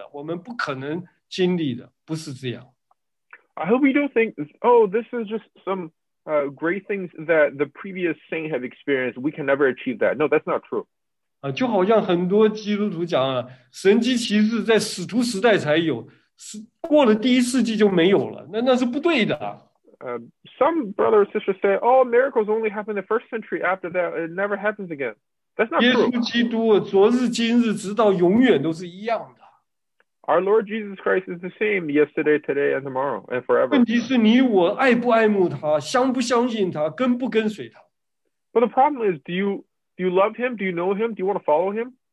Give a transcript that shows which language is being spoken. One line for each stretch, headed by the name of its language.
Chinese: 我们不要认为呢，这些都是过去圣徒们的经历，我们不可能达到的，我们不可能经历的，不是这样。
English: I hope you don't think, oh, this is just some great things that the previous saint have experienced. We can never achieve that. No, that's not true.
Chinese: 就好像很多基督徒讲啊，神迹奇事在使徒时代才有，是过了第一世纪就没有了。那是不对的。
English: Some brother or sister say, oh, miracles only happened in the first century. After that, it never happens again. That's not true.
Chinese: 耶稣基督昨日今日直到永远都是一样的。
English: Our Lord Jesus Christ is the same yesterday, today, and tomorrow, and forever.
Chinese: 问题是你我爱不爱慕他，相不相信他，跟不跟随他。
English: But the problem is, do you love him? Do you know him? Do you want to follow him?